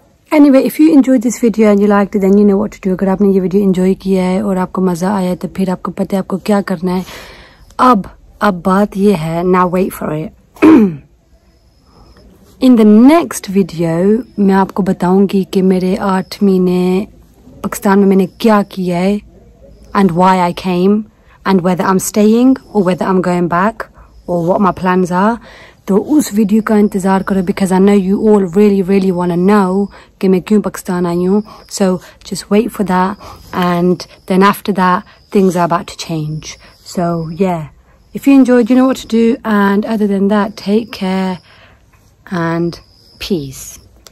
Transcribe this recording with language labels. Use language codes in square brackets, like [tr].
[en] Anyway, if you enjoyed this video and you liked it, then you know what to do. [hi] अगर आपने ये video enjoy किया है और आपको मजा आया है तो फिर आपको पता है आपको क्या करना है। अब बात ये है, [en] now wait for it. In the next video, [hi] मैं आपको बताऊंगी कि मेरे 8 महीने पाकिस्तान में मैंने क्या किया है [en] and why I came and whether I'm staying or whether I'm going back or what my plans are. [hi] तो उस वीडियो का इंतज़ार करो, [en] because I know you all really really want to know [hi] कि मैं क्यों पाकिस्तान आई हूँ. [en] So just wait for that and then after that things are about to change. So yeah, if you enjoyed you know what to do and other than that take care and peace.